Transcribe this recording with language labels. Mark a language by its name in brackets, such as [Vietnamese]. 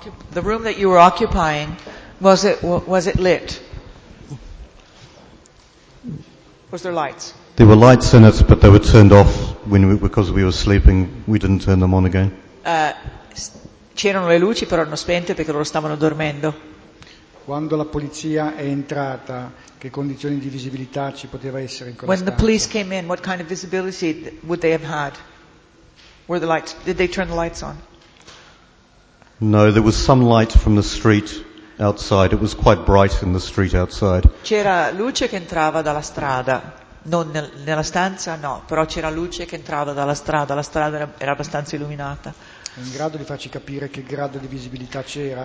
[English] The room that you were occupying, was it lit? Was there lights? There were lights in it, but they were turned off because we were sleeping. We didn't turn them on again. [Italian] C'erano le luci, però erano spente perché loro stavano dormendo. Quando la polizia è entrata, che condizioni di visibilità ci poteva essere in quella [English] When [Italian] stanza? [English] The police came in, what kind of visibility would they have had? Were the lights? Did they turn the lights on? No, there was some light from the street outside. It was quite bright in the street outside. [Italian] C'era luce che entrava dalla strada. Non nella stanza, no, però c'era luce che entrava dalla strada. La strada era abbastanza illuminata. in grado di farci capire che grado di visibilità c'era.